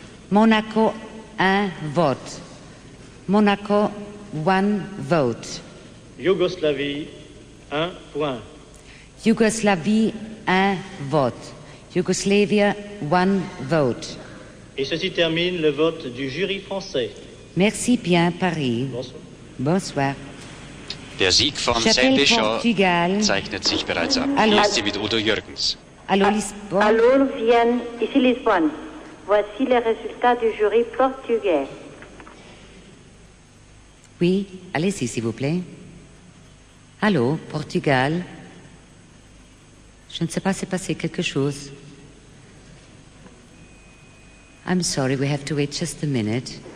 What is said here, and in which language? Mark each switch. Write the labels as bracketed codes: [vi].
[fr] Monaco, 1 vote. Monaco, 1 vote. Yougoslavie, 1 point. Yougoslavie, 1 vote. [en] Yugoslavia, one vote. [fr] Et ceci termine le vote du jury français. Merci bien, Paris. Bonsoir. [de] Der Sieg von Sandy Shaw zeichnet sich bereits ab. Hallo. Hier ist sie mit Udo Jürgens. Hallo, Lisbon. [fr] Hallo, Lucien. Ici Lisbon. Voici les résultats du jury portugais. Oui, allez-y, s'il vous plaît. Allô, Portugal. Je ne sais pas si s'est passé quelque chose. [en] I'm sorry, we have to wait just a minute.